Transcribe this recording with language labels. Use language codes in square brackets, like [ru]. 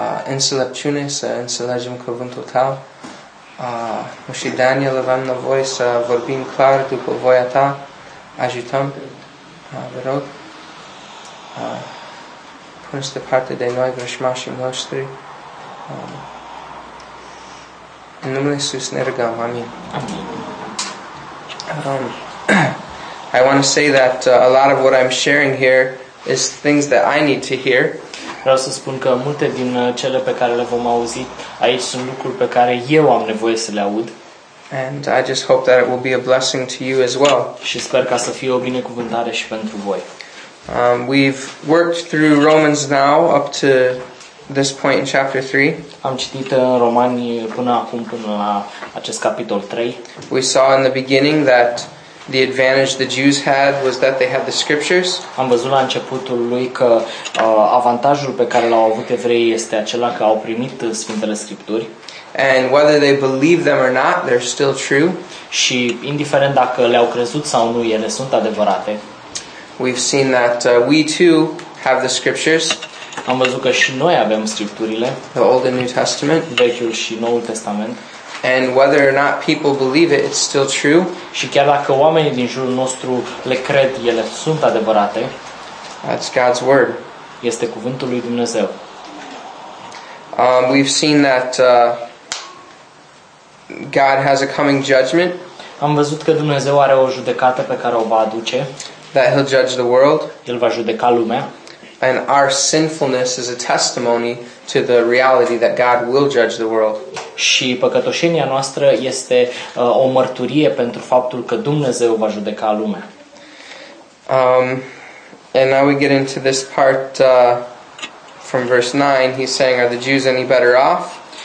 [ro] Înțelepciune să înțelegem cuvântul Tău. Și Daniel, avem nevoie să vorbim clar după voia Ta. Ajutăm, vă rog. Puneți de parte de noi, vrășmașii noștri. În numele Iisus ne rugăm. Amin. [en] I want to say that a lot of what I'm sharing here is things that I need to hear. [ro] Vreau să spun că multe din cele pe care le vom auzi aici sunt lucruri pe care eu am nevoie să le aud. [en] And I just hope that it will be a blessing to you as well. [ro] Și sper ca să fie o binecuvântare și pentru voi. [en] We've worked through Romans now up to this point in chapter 3. [ro] Am citit în Romani până acum, până la acest capitol 3. [en] We saw in the beginning that the advantage the Jews had was that they had the scriptures. [ro] Am văzut la începutul lui că avantajul pe care l-au avut evreii este acela că au primit Sfintele Scripturi. [en] And whether they believe them or not, they're still true. [ro] Și indiferent dacă le-au crezut sau nu, ele sunt adevărate. [en] We've seen that we too have the scriptures. [ro] Am văzut că și noi avem Scripturile. [en] The Old and New Testament. [ro] Vechiul și Noul Testament. [en] And whether or not people believe it, it's still true. [ro] Și chiar dacă oamenii din jurul nostru le cred, ele sunt adevărate. [en] That's God's word. [ro] Este cuvântul lui Dumnezeu. [en] We've seen that God has a coming judgment. [ro] Am văzut că Dumnezeu are o judecată pe care o va aduce. [en] That He'll judge the world. [ro] El va judeca lumea. [en] And our sinfulness is a testimony to the reality that God will judge the world. [ro] Și păcătoșenia noastră este o mărturie pentru faptul că Dumnezeu va judeca lumea. [en] And now we get into this part from verse 9. He's saying, are the Jews any better off?